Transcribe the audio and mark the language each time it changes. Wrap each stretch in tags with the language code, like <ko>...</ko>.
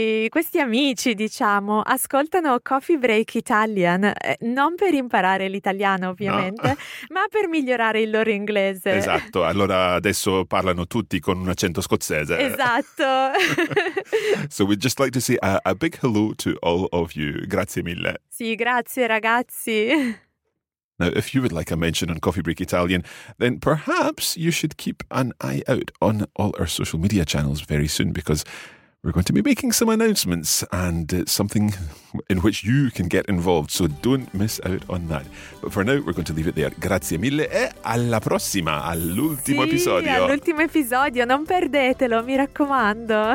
<it>Questi amici, diciamo, ascoltano Coffee Break Italian. Non per imparare l'italiano, ovviamente, no, ma per migliorare il loro inglese. Esatto, allora adesso parlano tutti con un accento scozzese. Esatto.</it> <en>So we'd just like to say a big hello to all of you.</en> <it>Grazie mille. Sì, grazie ragazzi.</it> <en>Now, if you would like a mention on Coffee Break Italian, then perhaps you should keep an eye out on all our social media channels very soon, because we're going to be making some announcements and something in which you can get involved. So don't miss out on that. But for now, we're going to leave it there.</en> <it>Grazie mille e alla prossima, all'ultimo sì, episodio. Sì, all'ultimo episodio. Non perdetelo, mi raccomando.</it>